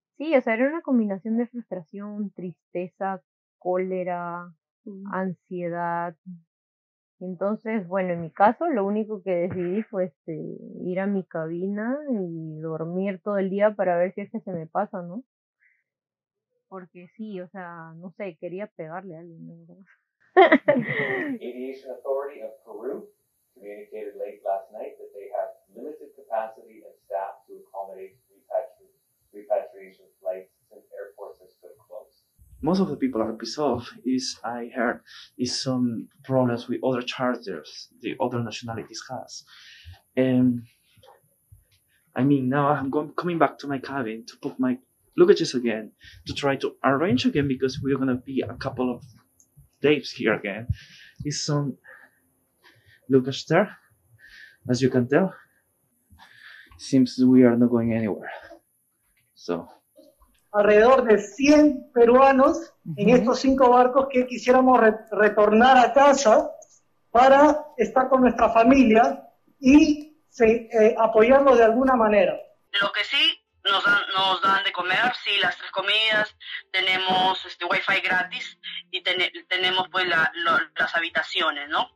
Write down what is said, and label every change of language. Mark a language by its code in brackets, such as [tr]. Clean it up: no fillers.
[es] Sí, o sea, era una combinación de frustración, tristeza, cólera, ansiedad. Entonces, bueno, en mi caso, lo único que decidí fue ir a mi cabina y dormir todo el día para ver si es que se me pasa, ¿no? Porque sí, o sea, no sé, quería pegarle a alguien, ¿no? [en] Aviation Authority of Peru communicated late last night that they have limited capacity and staff to accommodate repatriation flights since airports have stood closed. Most of the people are pissed off. I heard some problems with other charters, the other nationalities has. I mean, now I'm coming back to my cabin to put my luggages again, to try to arrange again, because we're gonna be a couple of days here again. Is some luggage there? As you can tell, seems we are not going anywhere. So. [es] Alrededor de 100 peruanos en estos 5 barcos que quisiéramos retornar a casa para estar con nuestra familia y apoyarlos de alguna manera. Lo que sí, nos dan de comer, sí, las 3 comidas, tenemos wifi gratis y tenemos pues las habitaciones, ¿no?